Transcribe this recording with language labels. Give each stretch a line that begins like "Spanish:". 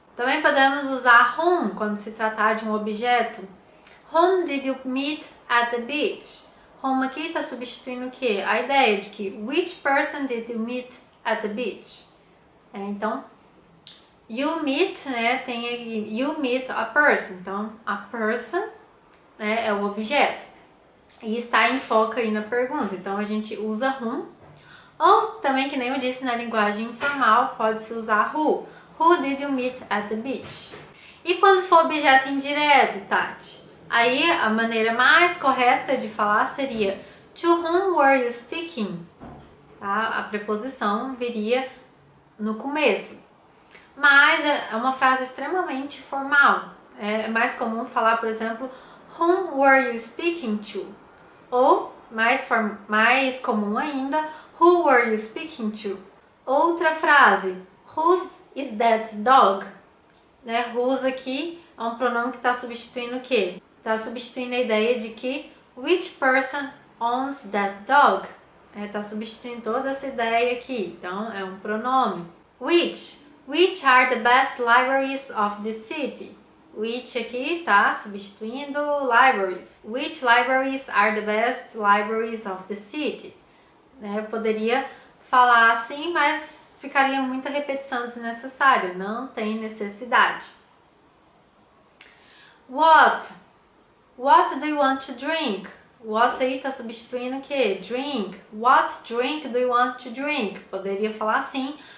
Portuguese: Também podemos usar whom, quando se tratar de um objeto.
English: Whom did you meet at the beach? Whom
Portuguese: aqui está substituindo o quê? A ideia de que
English: which person did you meet at the beach? Então, you meet, né, tem aqui, you meet a person.
Portuguese: Então, a person, né, é o objeto. E está em foco aí na pergunta. Então, a gente usa whom. Ou, também que nem eu disse, na linguagem informal, pode-se usar who.
English: Who did you meet at the beach?
Portuguese: E quando for objeto indireto, Tati? Aí, a maneira mais correta de falar seria
English: to whom were you speaking?
Portuguese: Tá? A preposição viria no começo. Mas é uma frase extremamente formal. É mais comum falar, por exemplo, whom were you speaking to? Ou, mais comum ainda,
English: who were you speaking to?
Portuguese: Outra frase,
English: whose is that dog? Né?
Portuguese: Whose aqui é um pronome que está substituindo o quê? Está substituindo a ideia de que
English: which person owns that dog?
Portuguese: Está substituindo toda essa ideia aqui, então é um pronome.
English: Which are the best libraries of the city?
Portuguese: Which aqui está substituindo libraries.
English: Which libraries are the best libraries of the city?
Portuguese: Eu poderia falar assim, mas ficaria muita repetição desnecessária, não tem necessidade.
English: What do you want to drink? What
Portuguese: aí está substituindo o quê?
English: Drink. What drink do you want to drink?
Portuguese: Poderia falar assim,